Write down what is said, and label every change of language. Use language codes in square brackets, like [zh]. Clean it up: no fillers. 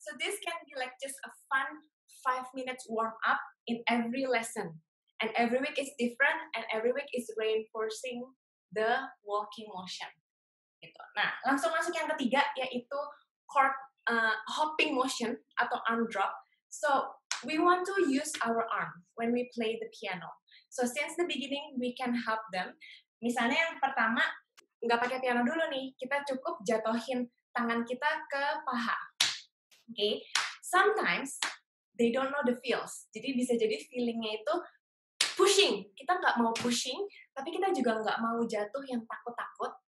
[en] So this can be like just a fun 5 minutes warm up in every lesson, and every week is different, and every week is reinforcing the walking motion. [id] Gitu. Nah, langsung masuk yang ketiga, yaitu chord hopping motion atau arm drop. [en] So we want to use our arm when we play the piano. So since the beginning, we can help them. [id] Misalnya yang pertama, nggak pakai piano dulu nih, kita cukup jatuhin tangan kita ke paha. [en] Okay, sometimes they don't know the feels. [id] Jadi bisa jadi feelingnya itu pushing. Kita nggak mau pushing, tapi kita juga nggak mau jatuh yang takut-takut.